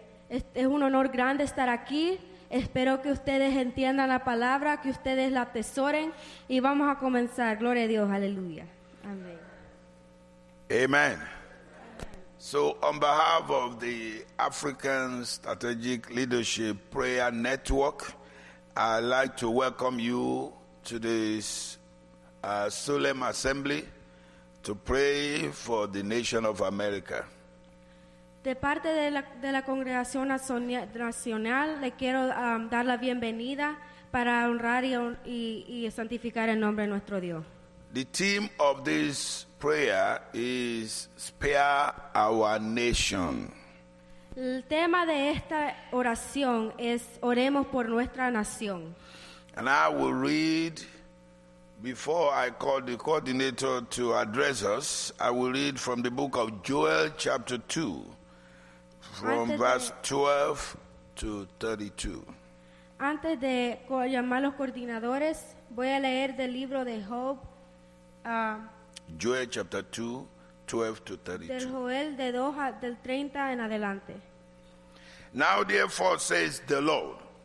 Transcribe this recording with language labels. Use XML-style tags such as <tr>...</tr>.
<es>Es un honor grande estar aquí. Espero que ustedes entiendan la palabra, que ustedes la atesoren, y vamos a comenzar. Gloria a Dios. Aleluya. Amén.</es> <en>Amen. So, on behalf of the African Strategic Leadership Prayer Network, I'd like to welcome you to this solemn assembly to pray for the nation of America.</en> <es>De parte de la congregación nacional, le quiero dar la bienvenida para honrar y santificar el nombre de nuestro Dios.</es> <en>The theme of this prayer is "Spare Our Nation."</en> <es>El tema de esta oración es oremos por nuestra nación.</es> <en>And I will read, before I call the coordinator to address us, I will read from the book of Joel chapter 2, from verse 12 to 32.</en> <es>Antes de llamar los coordinadores, voy a leer del libro de Job.</es> <en>Joel chapter 2, 12 to 32.</en> <es>Del Joel de 2 del 30 en adelante.</es> <en>Now therefore says the Lord.</en>